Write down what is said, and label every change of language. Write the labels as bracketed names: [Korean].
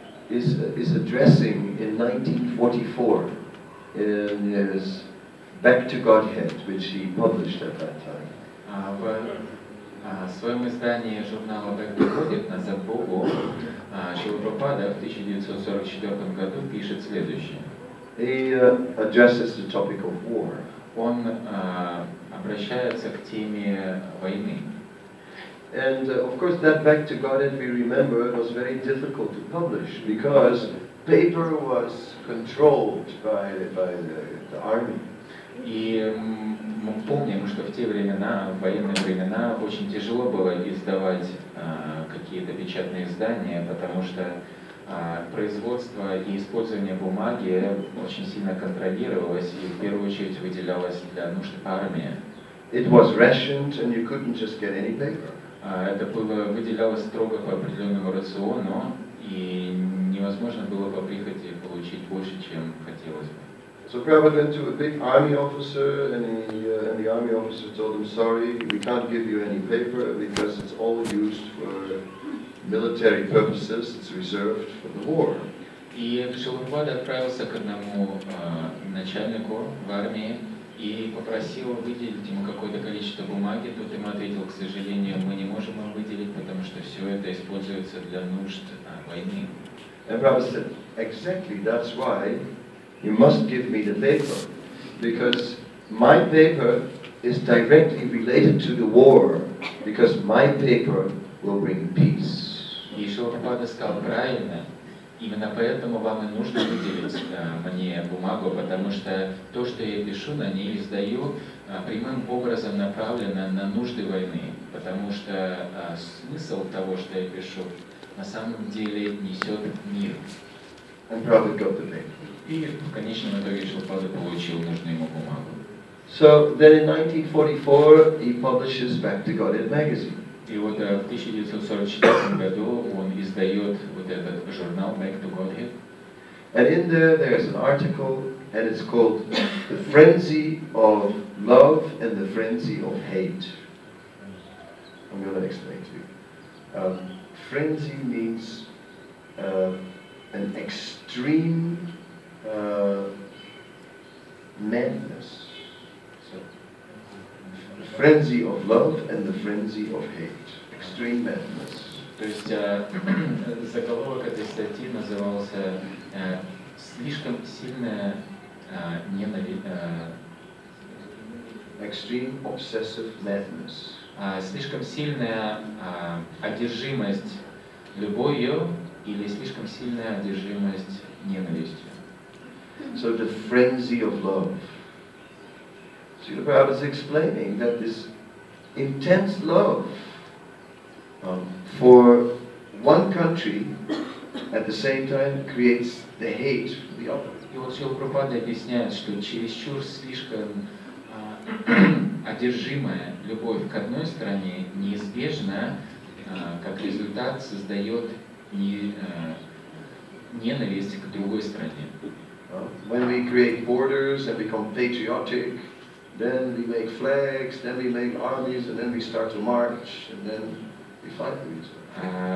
[English] Prabhupada is addressing in 1944 in his Back to Godhead, which he published at that time. [Russian] В своем издании журнала Back to Godhead, назад Богу, Шрила Прабхупада в 1944 году пишет следующее. [English] He addresses the topic of war. [Russian] Он обращается к теме войны. [English] And of course, that Back to Godhead, we remember, was very difficult to publish because paper was controlled by the army. [Russian] И мы помним, что в те времена, в военные времена, очень тяжело было издавать какие-то печатные издания, потому что производство и использование бумаги очень сильно контролировалось и в первую очередь выделялось для нужд армии. [English] It was rationed and you couldn't just get any paper. [Russian] Это было выделялось строго по определенному рациону, и невозможно было по прихоти получить больше, чем хотелось бы. [English] So Prabhupada went to a big army officer, and the army officer told him, "Sorry, we can't give you any paper because it's all used for military purposes. It's reserved for the war." [Russian] И Шилупада отправился к одному начальнику в армии и попросил выделить ему какое-то количество бумаги. Тот ему ответил: "К сожалению, мы не можем его выделить, потому что все это используется для нужд войны." [English] And Prabhupada said, "Exactly. That's why." You must give me the paper, because my paper is directly related to the war, because my paper will bring peace. [Russian] И Шилупада сказал правильно, именно поэтому вам и нужно выделить мне бумагу, потому что то, что я пишу на ней, издаю, прямым образом направлено на нужды войны, потому что смысл того, что я пишу, на самом деле несет мир. [English] And Prabhupada got the paper. [Russian] И в конечном итоге Шилупада получил нужную ему бумагу. [English] So then in 1944 he publishes Back to Godhead magazine. [Russian] И вот в 1944 году он издает вот этот журнал Back to Godhead. [English] And in there is an article and it's called The Frenzy of Love and the Frenzy of Hate. I'm going to explain to you. Frenzy means an extreme madness. So, the frenzy of love and the frenzy of hate. Extreme madness. [Russian] То есть заголовок этой статьи назывался слишком сильная ненависть. [English] Extreme obsessive madness. [Russian] Слишком сильная одержимость любовью или слишком сильная одержимость ненавистью. [English] So the frenzy of love. Srila Prabhupada is explaining that this intense love for one country at the same time creates the hate for the other. [Russian] И вот Srila Prabhupada объясняет, что чересчур слишком одержимая любовь к одной стране неизбежно, как результат, создает ненависть к другой стране. [English] When we create borders and become patriotic, then we make flags, then we make armies, and then we start to march, and then we fight for each other.